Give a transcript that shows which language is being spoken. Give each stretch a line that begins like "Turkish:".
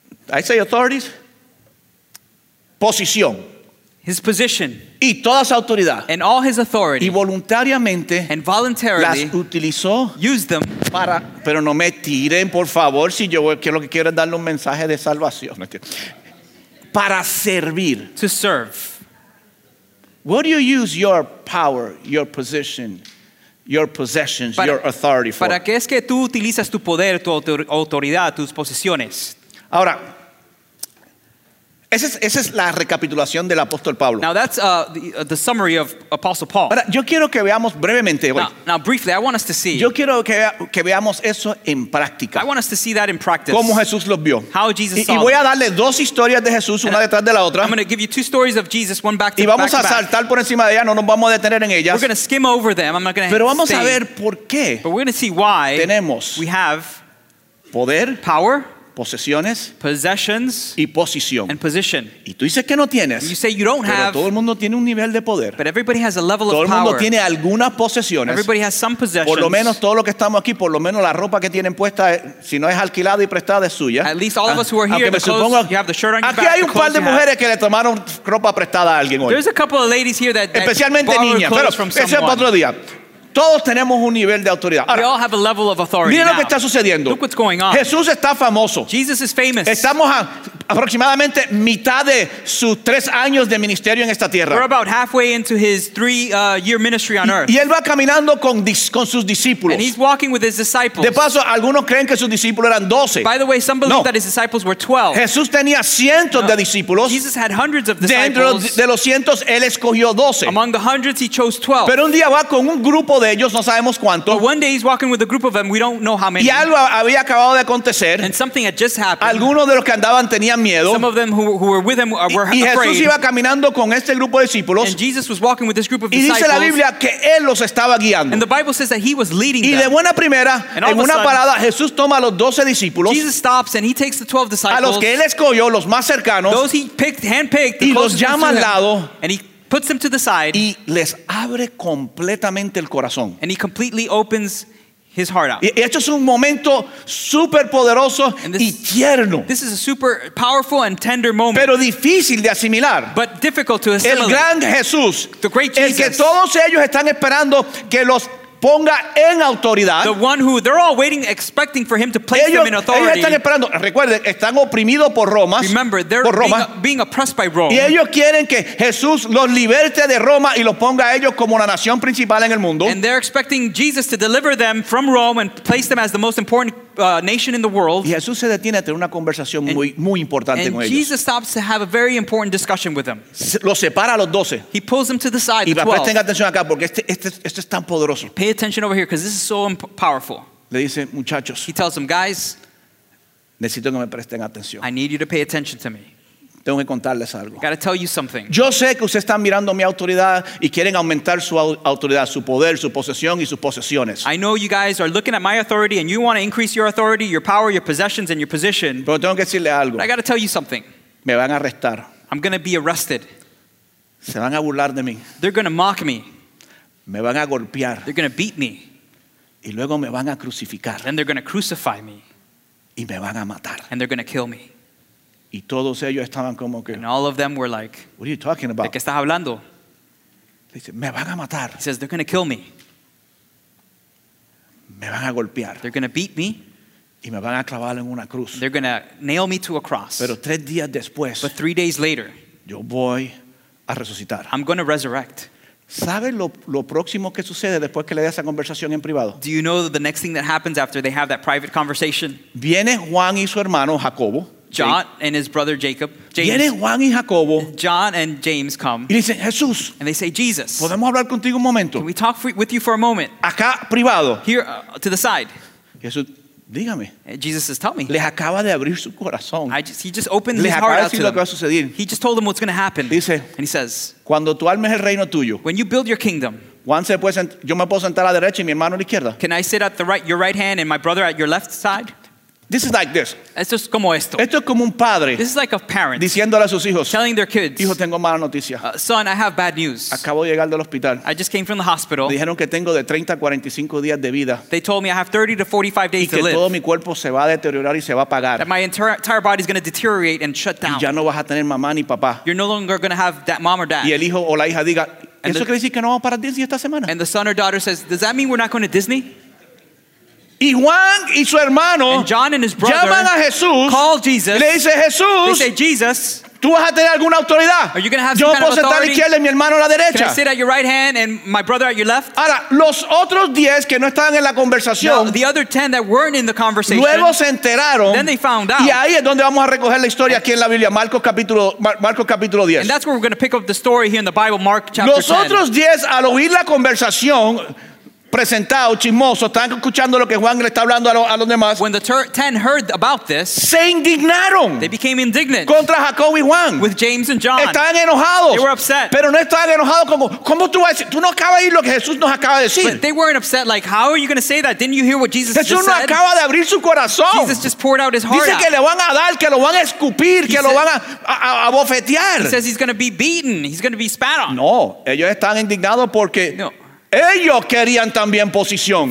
English: I say authorities. Posición. His position.
Spanish: Y toda su autoridad.
English: And all his authority.
Spanish: Y voluntariamente.
English: And voluntarily.
Spanish: Las utilizó.
English: Used them.
Spanish: Para. Pero no me tiren, por favor, si yo que lo que quiero es darle un mensaje de salvación. Para servir.
English: To serve. What do you use your power, your position, your possessions,
Spanish: para,
English: your authority for?
Spanish: Para qué es que tú utilizas tu poder, tu autoridad, tus posesiones. Ahora, esa es la recapitulación del apóstol Pablo.
English: Now that's the summary of Apostle Paul.
Spanish: Ahora, yo quiero que veamos brevemente.
English: Now briefly, I want us to see.
Spanish: Yo quiero que veamos eso en práctica.
English: I want us to see that in practice.
Spanish: Cómo Jesús los vio.
English: How Jesus saw them.
Spanish: Y voy a darle dos historias de Jesús, una detrás de la otra.
English: I'm going to give you two stories of Jesus, one back to back.
Spanish: Y vamos a saltar por encima de ellas, no nos vamos a detener en ellas.
English: We're going to skim over them. I'm not going to.
Spanish: Pero vamos a ver por qué.
English: But we're going to see why.
Spanish: Tenemos.
English: We have.
Spanish: Poder.
English: Power.
Spanish: Posesiones,
English: possessions,
Spanish: y posición.
English: And position.
Spanish: Y tú dices que no tienes,
English: you say you don't have.
Spanish: Todo el mundo tiene un nivel de poder.
English: But everybody has a level of power.
Spanish: Todo el mundo tiene algunas posesiones.
English: Everybody has some possessions.
Spanish: Por lo menos todo lo que estamos aquí, por lo menos la ropa que tienen puesta, si no es alquilada y prestada, es suya.
English: At least all of us who are here,
Spanish: aunque
English: the clothes, you have the shirt on your
Spanish: aquí
English: back,
Spanish: hay un par de mujeres que le tomaron ropa prestada a alguien hoy.
English: There's a couple of ladies here that
Spanish: especialmente niñas, pero ese es para otro día. Todos tenemos un nivel de autoridad.
English: Ahora, we all have a level of authority.
Spanish: Mira lo
English: now.
Spanish: Que está sucediendo.
English: Look what's going on.
Spanish: Jesús está famoso.
English: Jesus is famous.
Spanish: Estamos a aproximadamente mitad de sus tres años de ministerio en esta tierra.
English: We're about halfway into his three-year ministry on earth.
Spanish: Y él va caminando con sus discípulos.
English: And he's walking with his disciples.
Spanish: De paso, algunos creen que sus discípulos eran 12.
English: By the way, some believe that his disciples were 12.
Spanish: Jesús tenía cientos de discípulos.
English: Jesus had hundreds of disciples.
Spanish: Dentro de los cientos, él escogió 12.
English: Among the hundreds, he chose 12.
Spanish: Pero un día va con un grupo de ellos, no sabemos cuánto.
English: But one day he's walking with a group of them, we don't know how many.
Spanish: Y algo había acabado de acontecer.
English: And something had just happened.
Spanish: Algunos de los que andaban tenían miedo.
English: Some of them who were with him were afraid.
Spanish: Y Jesús iba caminando con este grupo de discípulos.
English: And Jesus was walking with this group of
Spanish: disciples. Y dice la Biblia que él los estaba guiando.
English: And the Bible says that he was leading them.
Spanish: Y de buena primera, en una parada, Jesús toma a los 12 discípulos.
English: Jesus stops and he takes the 12 disciples.
Spanish: A los que él escogió, los más cercanos.
English: Those he picked, handpicked.
Spanish: Y los llama al lado.
English: And he puts them to the side.
Spanish: Y les abre completamente el corazón.
English: And he completely opens his heart out.
Spanish: Y esto es un momento super poderoso y tierno.
English: This is a super powerful and tender moment.
Spanish: Pero difícil de asimilar.
English: But difficult to assimilate.
Spanish: El gran Jesús.
English: The great Jesus.
Spanish: El que todos ellos están esperando que los ponga en autoridad.
English: The one who they're all waiting, expecting for him to place
Spanish: ellos,
English: them in authority.
Spanish: Ellos están esperando. Recuerden, están oprimidos por Roma.
English: Remember, they're being oppressed by Rome.
Spanish: Y ellos quieren que Jesús los liberte de Roma y los ponga a ellos como la nación principal en el mundo.
English: And they're expecting Jesus to deliver them from Rome and place them as the most important nation in the world.
Spanish: Y Jesús se detiene a tener una conversación muy importante con ellos.
English: And Jesus stops to have a very important discussion with them.
Spanish: Los separa a los 12.
English: He pulls them to the side.
Spanish: Y presten atención acá porque este es tan poderoso.
English: Pay attention over here because this is so powerful.
Spanish: Le dice, muchachos,
English: he tells them, guys,
Spanish: necesito que me presten atención.
English: I need you to pay attention to me.
Spanish: Tengo que contarles algo.
English: I gotta tell you something.
Spanish: Yo sé que ustedes están mirando mi autoridad y quieren aumentar su autoridad, su poder, su posesión y sus posesiones.
English: I know you guys are looking at my authority and you want to increase your authority, your power, your possessions and your position.
Spanish: Pero tengo que decirle algo.
English: But I gotta tell you something.
Spanish: Me van a arrestar.
English: I'm gonna be arrested.
Spanish: Se van a burlar de mí.
English: They're gonna mock me.
Spanish: Me van a golpear.
English: They're gonna beat me.
Spanish: Y luego me van a crucificar.
English: Then they're gonna crucify me.
Spanish: Y me van a matar.
English: And they're gonna kill me.
Spanish: Y todos ellos estaban como que,
English: and all of them were like, what are you talking about?
Spanish: ¿De qué estás hablando? Le dice, me van a matar.
English: He says, they're gonna kill me.
Spanish: Me van a golpear.
English: They're gonna beat me.
Spanish: Y me van a clavar en una cruz.
English: They're gonna nail me to a cross.
Spanish: Pero tres días después,
English: but 3 days later,
Spanish: yo voy a resucitar.
English: I'm gonna resurrect.
Spanish: ¿Sabe lo próximo que sucede después que le dé esa conversación en privado?
English: Do you know the next thing that happens after they have that private conversation?
Spanish: Viene Juan y su hermano Jacobo.
English: John and his brother Jacob. James.
Spanish: Viene Juan y Jacobo.
English: John and James come.
Spanish: Y dicen, Jesús.
English: And they say, Jesus.
Spanish: ¿Podemos hablar contigo un momento?
English: Can we talk with you for a moment?
Spanish: Acá privado.
English: Here, to the side.
Spanish: Jesús, dígame.
English: Jesus says, tell me.
Spanish: Les acaba de abrir su corazón.
English: He just opened his heart out to them.
Spanish: Lo que va a suceder.
English: He just told them what's going to happen.
Spanish: Dice,
English: and he says,
Spanish: cuando tú armes el reino tuyo,
English: when you build your kingdom,
Spanish: yo me puedo sentar a la derecha y mi hermano a la izquierda.
English: Can I sit at the right, your right hand and my brother at your left side? This is like this.
Spanish: Esto es como esto. Esto es como un padre.
English: This is like a parent.
Spanish: Diciéndole a sus hijos.
English: Telling their kids.
Spanish: Hijo, tengo mala noticia.
English: Son, I have bad news.
Spanish: Acabo de llegar del hospital.
English: I just came from the hospital.
Spanish: Dijeron que tengo de 30 a 45 días de vida.
English: They told me I have 30 to 45 days to live.
Spanish: Y que todo mi cuerpo se va a deteriorar y se va a apagar.
English: That my entire body is going to deteriorate and shut down.
Spanish: Y ya no vas a tener mamá ni papá.
English: You're no longer going to have that mom or dad.
Spanish: Y el hijo o la hija diga, ¿eso quiere decir que no vamos para Disney esta semana?
English: And the son or daughter says, does that mean we're not going to Disney?
Spanish: Y Juan y su hermano
English: and John and his brother
Spanish: llaman a Jesús,
English: call Jesus.
Spanish: Le dice, Jesús,
English: they say, Jesus,
Spanish: ¿tú vas a tener alguna autoridad?
English: Are you going to have
Spanish: yo
English: some kind of authority?
Spanish: Yo puedo sentar a la izquierda y mi hermano a la derecha.
English: Can I sit at your right hand and my brother at your left?
Spanish: Ahora, los otros 10 que no estaban en la conversación,
English: no, the other 10 that weren't in the conversation,
Spanish: luego se enteraron.
English: Then they found out.
Spanish: Y ahí es donde vamos a recoger la historia aquí en la Biblia, Marcos capítulo 10.
English: And that's where we're going to pick up the story here in the Bible, Mark chapter
Spanish: 10. Los otros 10 al oír la conversación presentado, chismoso, están escuchando lo que Juan le está hablando a los demás.
English: When the 10 heard about this,
Spanish: se indignaron.
English: They became indignant.
Spanish: Contra Jacob y Juan.
English: With James and John.
Spanish: Estaban enojados.
English: They were upset.
Spanish: Pero no estaban enojados como, ¿cómo tú vas a decir? Tú no acabas de oír lo que Jesús nos acaba de decir.
English: But they weren't upset like, how are you going to say that? Didn't you hear what Jesus
Spanish: Jesús
English: just
Spanish: no
English: said?
Spanish: Jesús no acaba de abrir su corazón.
English: Jesus just poured out his heart.
Spanish: Dice
English: out.
Spanish: Que le van a dar, que lo van a escupir, he que said, lo van a bofetear.
English: He says he's going to be beaten. He's going to be spat on.
Spanish: No, ellos están indignados porque no. Ellos querían también posición.